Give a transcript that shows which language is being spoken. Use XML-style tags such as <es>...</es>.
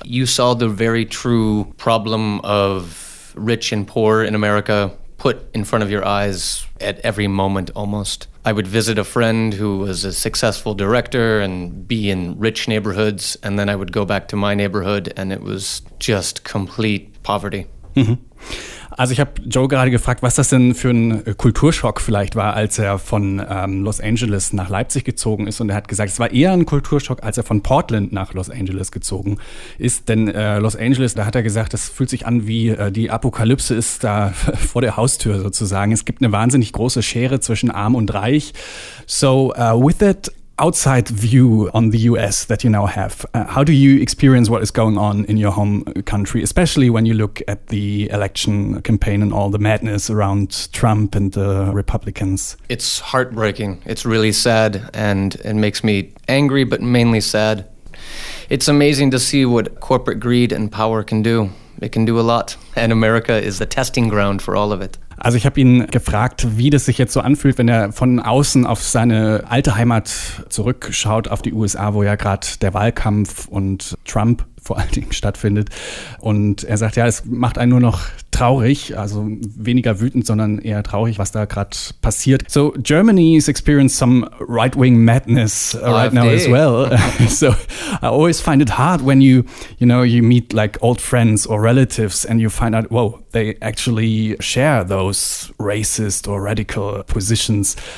<en>You saw the very true problem of rich and poor in America put in front of your eyes at every moment almost. I would visit a friend who was a successful director and be in rich neighborhoods, and then I would go back to my neighborhood and it was just complete poverty.</en> <de>Also ich habe Joe gerade gefragt, was das denn für ein Kulturschock vielleicht war, als er von Los Angeles nach Leipzig gezogen ist. Und er hat gesagt, es war eher ein Kulturschock, als er von Portland nach Los Angeles gezogen ist. Denn Los Angeles, da hat er gesagt, das fühlt sich an wie die Apokalypse ist da vor der Haustür sozusagen. Es gibt eine wahnsinnig große Schere zwischen Arm und Reich.</de> <en>So with that outside view on the US that you now have, how do you experience what is going on in your home country, especially when you look at the election campaign and all the madness around Trump and the Republicans? It's heartbreaking. It's really sad, and it makes me angry, but mainly sad. It's amazing to see what corporate greed and power can do. It can do a lot, and America is the testing ground for all of it.</en> <de>Also ich habe ihn gefragt, wie das sich jetzt so anfühlt, wenn er von außen auf seine alte Heimat zurückschaut, auf die USA, wo ja gerade der Wahlkampf und Trump vor allen Dingen stattfindet. Und er sagt, ja, es macht einen nur noch traurig, also weniger wütend, sondern eher traurig, was da gerade passiert.</de> <en>So Germany is experiencing some right-wing madness right now as well. So I always find it hard when you meet like old friends or relatives and you find out, whoa, they actually share those racist or radical positions.</en>